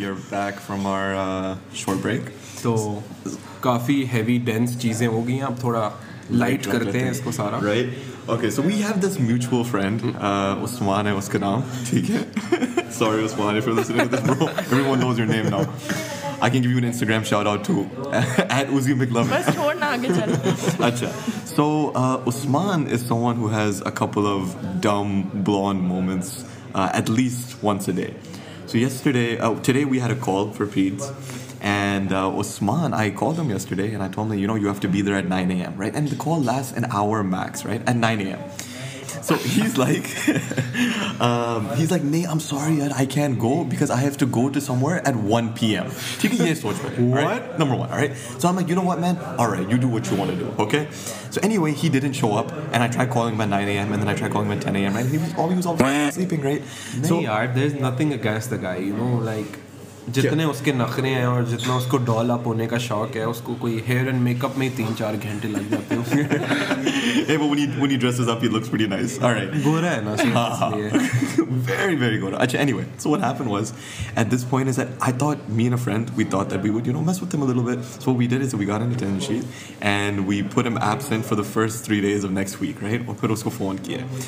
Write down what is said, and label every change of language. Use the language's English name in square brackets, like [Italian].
[English] Back from our short break. [Hindi] So काफी heavy dense चीजें हो गई हैं, अब थोड़ा light करते हैं इसको सारा. [English] Right. Okay. So we have this mutual friend, Usman [Hindi] है उसका नाम. ठीक है. [English] Sorry, Usman, if you're listening to this, bro. Everyone knows your name now. I can give you an Instagram shout out too, at Uzi McLovin. [Hindi] बस छोड़ ना आगे चलो. अच्छा. [English] So Usman is someone who has a couple of dumb blonde moments at least once a day. So yesterday, today we had a call for Peds, and Usman, I called him yesterday and I told him, you know, you have to be there at 9 a.m., right? And the call lasts an hour max, right? At 9 a.m. So he's like, Nay, I'm sorry, I can't go because I have to go to somewhere at 1 p.m. What? Number one, all right? So I'm like, you know what, man? All right, you do what you want to do, okay? So anyway, he didn't show up, and I tried calling him at 9 a.m., and then I tried calling him at 10 a.m., right? He was always sleeping, right? So, there's nothing against the guy, you know, like, [Hindi] जितने उसके नखरे हैं और जितना उसको doll up होने का शौक है उसको कोई हेयर एंड मेकअप में 3-4 घंटे लग जाते हैं. [English] Hey, but when he dresses up, he looks pretty nice. All right. [Hindi] Gora hai na, seriously. [English] Very, very good. Achha, anyway, so what happened was, at this point is that I thought, me and a friend, we thought that we would, you know, mess with him a little bit. So what we did is that we got an attendance sheet and we put him absent for the first 3 days of next week, right? [Hindi] Aur phir usko phone kiya.